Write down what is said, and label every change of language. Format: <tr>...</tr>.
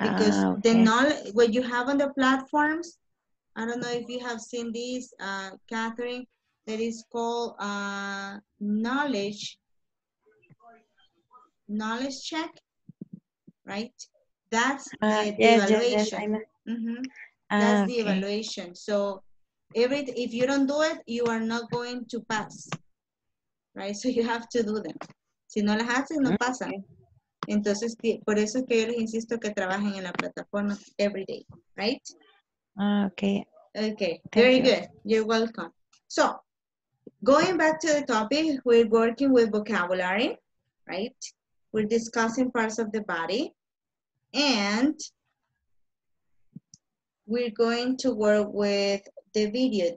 <en>Because the knowledge, what you have on the platforms, I don't know if you have seen this, Catherine, that is called knowledge check, right? That's the evaluation. That's the evaluation. So if you don't do it, you are not going to pass, right? So you have to do them.</en> <es>Si no las haces, no pasan. Entonces, por eso es que yo les insisto que trabajen en la plataforma</es> <en>every day,</en> <es>right?</es> <en>Okay. Thank you. Very good. You're welcome. So going back to the topic, we're working with vocabulary, right? We're discussing parts of the body and we're going to work with the video.</en>